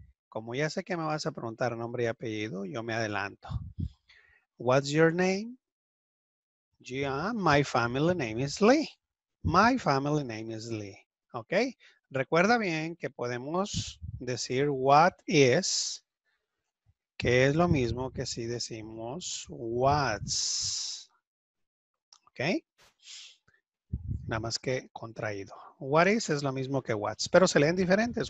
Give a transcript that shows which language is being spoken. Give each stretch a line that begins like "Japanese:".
Spanish: Como ya sé que me vas a preguntar nombre y apellido, yo me adelanto.
English: What's your name? Yeah, my family name is Lee. My family name is Lee. Ok.
Spanish: Recuerda bien que podemos decir
English: what is,
Spanish: que es lo mismo que si decimos what's. Ok. Nada más que contraído.
English: What is
Spanish: es lo mismo que what's, pero se leen diferentes.